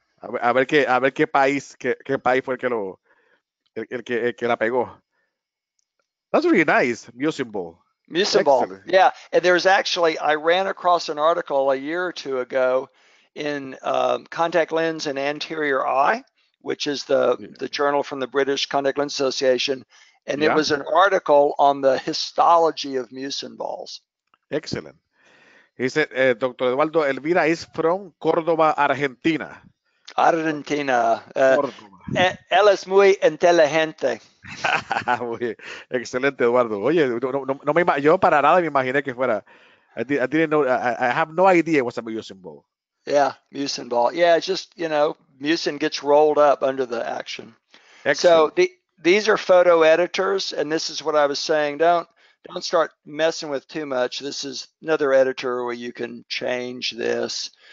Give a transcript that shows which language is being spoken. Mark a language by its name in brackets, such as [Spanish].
[Spanish] A ver qué país, qué país fue el que la pegó. [English] That's really nice, music ball. Musin ball. Excellent. Yeah, and there's actually I ran across an article a year or two ago in Contact Lens and Anterior Eye, which is the journal from the British Contact Lens Association, and it Yeah. was an article on the histology of Musin balls. Excellent. He said, Dr. Eduardo Elvira is from Córdoba, Argentina. Argentina. Córdoba. [Spanish] Él es muy inteligente. Muy excelente, Eduardo. Oye, no me yo para nada me imaginé que fuera. [English] I have no idea what's a Musin ball. Yeah, Musin ball. Yeah, it's just, Musin gets rolled up under the action. So Excellent. these are photo editors, and this is what I was saying. Don't start messing with too much. This is another editor where you can change this.